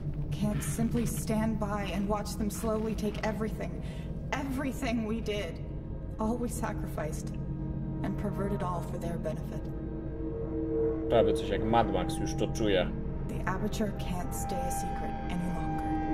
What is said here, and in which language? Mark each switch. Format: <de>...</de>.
<en>Can't simply stand by and watch them slowly take everything we did, all we sacrificed, and pervert it all for their benefit.</en> <pl>Prawie coś jak Mad Max, już to czuję.</pl> <en>The aperture can't stay a secret any longer.</en>